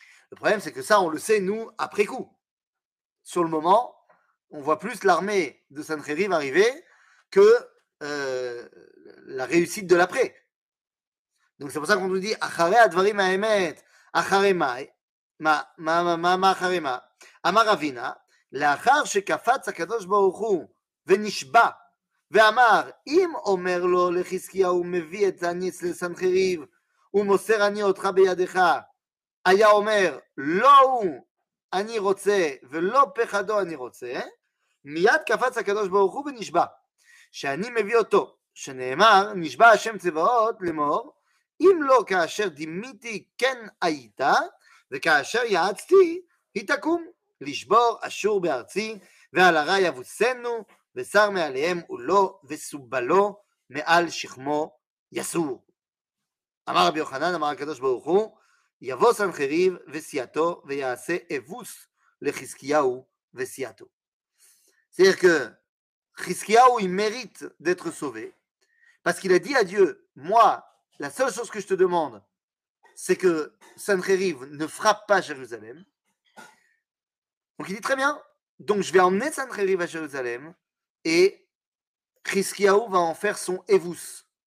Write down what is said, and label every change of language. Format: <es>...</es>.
<fr>Le problème, c'est que ça, on le sait, nous, après coup. Sur le moment, on voit plus l'armée de Sancheriv arriver que la réussite de l'après. Donc c'est pour ça qu'on nous dit</fr> <he>Achare Advarim Ha'emet, Achare Mai, Ma Achare Ma, Amar Avina. לאחר שקפץ הקדוש ברוך הוא ונשבע ואמר אם אומר לו לחזקיהו מביא את הניס לסנחריב ומוסר אני אותך בידיך היה אומר לא הוא אני רוצה ולא פחדו אני רוצה מיד קפץ הקדוש ברוך הוא ונשבע שאני מביא אותו שנאמר נשבע השם צבאות למור אם לא כאשר דימיתי כן היית וכאשר יעצתי היא תקום לשבור אשור בארצי, ועל הרע יבוסנו, ושר מעליהם ולו, וסובלו מעל שכמו יסור. אמר רבי יוחנן, אמר הקדוש ברוך הוא, יבוא סנחריב וסיעתו, ויעשה אבוס לחזקיהו וסיעתו.</he> <fr>C'est-à-dire que חזקיהו, il mérite d'être sauvé, parce qu'il a dit à Dieu, moi, la seule chose que je te demande, c'est que סנחריב ne frappe pas Jérusalem. Donc il dit très bien, donc je vais emmener Sancheriv à Jérusalem et Chizkiyahu va en faire son Evus.</fr>